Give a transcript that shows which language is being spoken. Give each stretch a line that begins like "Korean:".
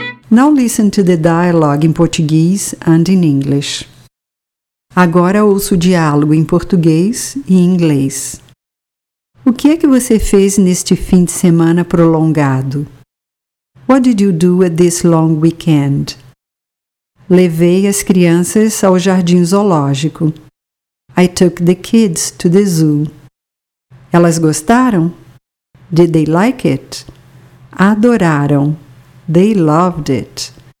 English: Now listen to the dialogue in Portuguese and in English.
Portuguese: Agora ouço o diálogo em português e inglês. O que é que você fez neste fim de semana prolongado?
English: What did you do at this long weekend?
Portuguese: Levei as crianças ao jardim zoológico.
English: I took the kids to the zoo.
Portuguese: Elas gostaram?
English: Did they like it?
Portuguese: Adoraram.
English: They loved it.